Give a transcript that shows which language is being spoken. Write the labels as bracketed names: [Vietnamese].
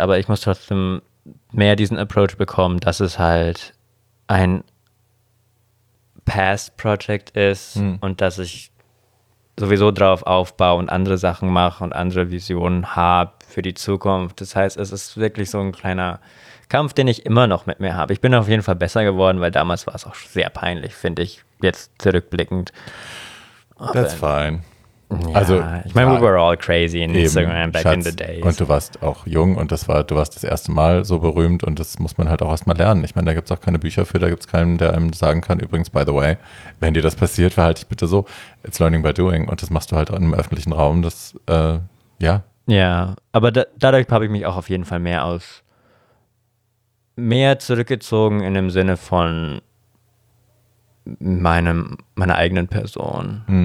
[German] Aber ich muss trotzdem mehr diesen Approach bekommen, dass es halt ein Past-Project ist und dass ich sowieso drauf aufbaue und andere Sachen mache und andere Visionen habe für die Zukunft. Das heißt, es ist wirklich so ein kleiner Kampf, den ich immer noch mit mir habe. Ich bin auf jeden Fall besser geworden, weil damals war es auch sehr peinlich, finde ich, jetzt zurückblickend. [English] Aber that's fine. [German] Ja, also, ich meine, [English] we were all crazy in Instagram back in the days. [German] Und du warst auch jung und du warst das erste Mal so berühmt und das muss man halt auch erstmal lernen. Ich meine, da gibt es auch keine Bücher für, da gibt es keinen, der einem sagen kann, übrigens, [English] by the way, [German] wenn dir das passiert, verhalte dich bitte so. [English] It's learning by doing [German] und das machst du halt im öffentlichen Raum, das, ja. Ja, aber dadurch habe ich mich auch auf jeden Fall mehr zurückgezogen in dem Sinne von meiner eigenen Person.